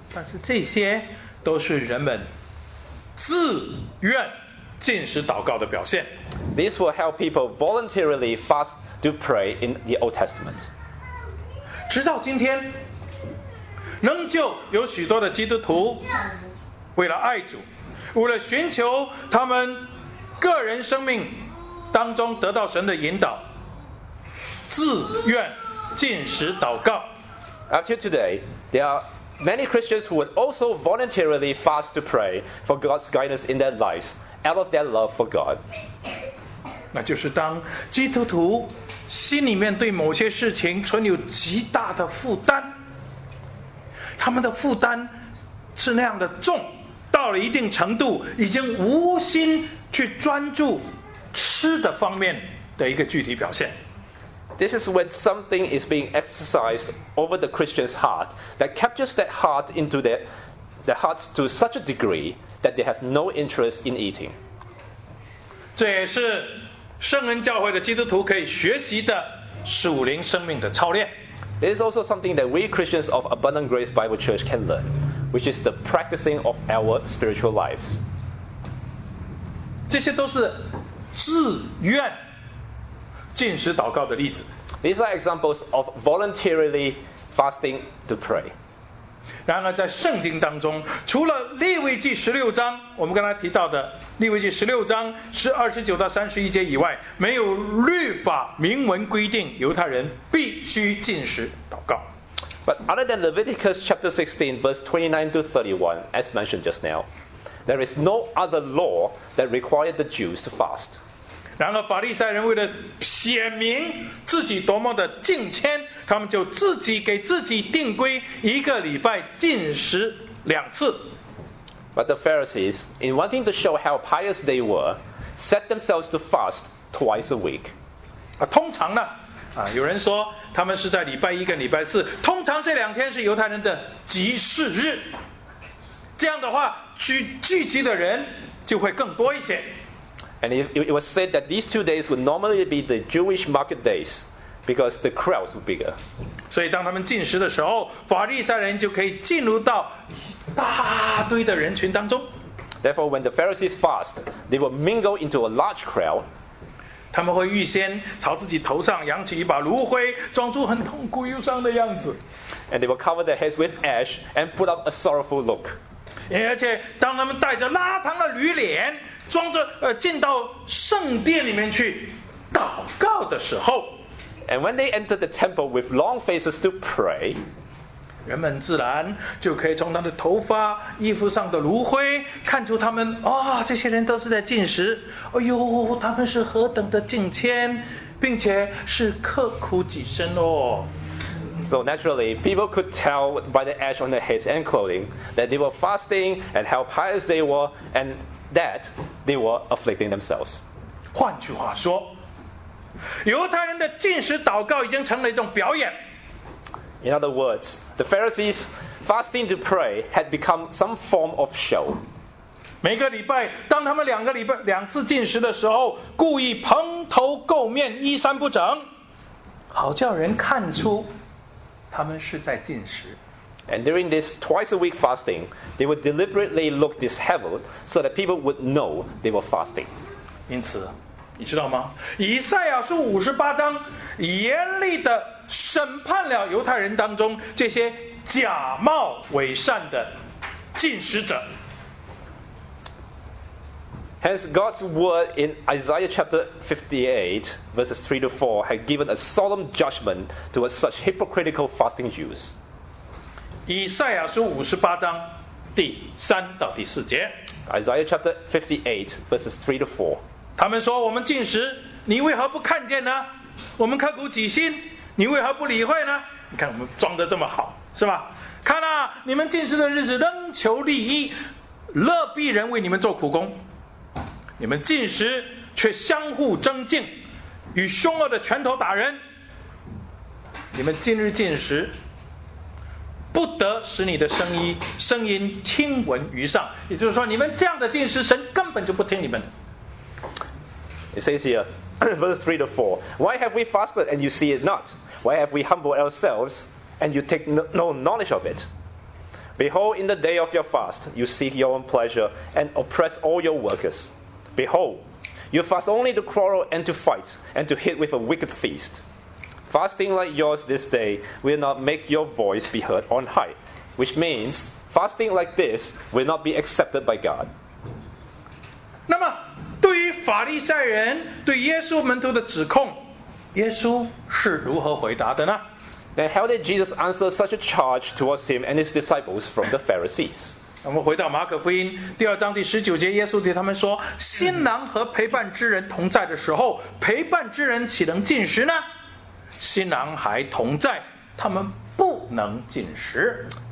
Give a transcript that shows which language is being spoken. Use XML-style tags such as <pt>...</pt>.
<zh>但是这些都是人们自愿禁食祷告的表现。</zh> <en>This will help people voluntarily fast to pray in the Old Testament.</en> <zh>直到今天，仍旧有许多的基督徒为了爱主，为了寻求他们个人生命当中得到神的引导，自愿禁食祷告。</zh> <en>Until today, there are many Christians who would also voluntarily fast to pray for God's guidance in their lives out of their love for God.</en> <zh>那就是当基督徒心里面对某些事情存有极大的负担，他们的负担是那样的重，到了一定程度已经无心去专注吃的方面的一个具体表现。</zh> <en>This is when something is being exercised over the Christian's heart that captures that heart into their hearts to such a degree that they have no interest in eating.</en> <zh>这也是圣恩教会的基督徒可以学习的属灵生命的操练。</zh> <en>It is also something that we Christians of Abundant Grace Bible Church can learn. Which is the practicing of our spiritual lives.</en> <zh>这些都是自愿禁食祷告的例子。</zh> <en>These are examples of voluntarily fasting to pray.</en> <zh>然而在圣经当中，除了利未记十六章，我们刚才提到的利未记十六章是二十九到三十一节以外，没有律法明文规定犹太人必须禁食祷告。</zh> <en>But other than Leviticus chapter 16, verse 29 to 31, as mentioned just now, there is no other law that required the Jews to fast.</en> <zh>然而法利赛人为了显明自己多么的敬虔，他们就自己给自己定规，一个礼拜禁食两次。</zh> <en>But the Pharisees, in wanting to show how pious they were, set themselves to fast twice a week.</en> <zh>通常呢有人说他们是在礼拜一跟礼拜四，通常这两天是犹太人的集市日，这样的话聚集的人就会更多一些。</zh> <en>And it was said that these two days would normally be the Jewish market days because the crowds were bigger.</en> <zh>所以当他们进食的时候，法利赛人就可以进入到大堆的人群当中。</zh> <en>Therefore when the Pharisees fast, they will mingle into a large crowd.</en> <zh>他们会预先朝自己头上扬起一把炉灰，装出很痛苦忧伤的样子。</zh> <en>And they will cover their heads with ash and put up a sorrowful look.</en> <zh>而且当他们带着拉长的驴脸，装着进到圣殿里面去祷告的时候</zh> <en>，And when they enter the temple with long faces to pray,</en> <zh>人们自然就可以从他的头发、衣服上的炉灰看出他们，这些人都是在进食。哎呦，他们是何等的敬虔，并且是刻苦己身哦。</zh> <en>So naturally, people could tell by the ash on their heads and clothing that they were fasting and how pious they were and that they were afflicting themselves.</en> <zh>换句话说，犹太人的禁食祷告已经成了一种表演。</zh> <en>In other words, the Pharisees fasting to pray had become some form of show.</en> <zh>每个礼拜，当他们两个礼拜两次禁食的时候，故意蓬头垢面，衣衫不整，好叫人看出他们是在禁食。</zh> <en>And during this twice a week fasting, they would deliberately look disheveled so that people would know they were fasting.</en> <zh>因此，你知道吗？以赛亚书五十八章严厉的审判了犹太人当中这些假冒伪善的禁食者。</zh> <en>Hence, God's word in Isaiah chapter 58, verses 3 to 4, had given a solemn judgment towards such hypocritical fasting Jews.</en> <zh>以赛亚书五十八章第三到第四节。</zh> <en>Isaiah chapter 58, verses 3 to 4.</en> <zh>他们说：“我们禁食，你为何不看见呢？我们刻苦己心，你为何不理会呢？你看我们装得这么好，是吧？看啊，你们禁食的日子，仍求利益，乐必人为你们做苦工。” 你们禁食却相互争竞，与凶恶的拳头打人。你们今日禁食，不得使你的声音听闻于上。也就是说，你们这样的禁食，神根本就不听你们的。</zh> <en>It says here, verse 3 to 4, Why have we fasted and you see it not? Why have we humbled ourselves and you take no knowledge of it? Behold, in the day of your fast, you seek your own pleasure and oppress all your workers. Behold, you fast only to quarrel and to fight and to hit with a wicked feast. Fasting like yours this day will not make your voice be heard on high, which means fasting like this will not be accepted by God.</en> <zh>那么对于法利赛人对耶稣门徒的指控，耶稣是如何回答的呢？</zh> <en>Then how did Jesus answer such a charge towards him and his disciples from the Pharisees?</en> <zh>我们回到马可福音第二章第十九节，耶稣对他们说：“新郎和陪伴之人同在的时候，陪伴之人岂能禁食呢？新郎还同在，他们不能禁食。”</zh>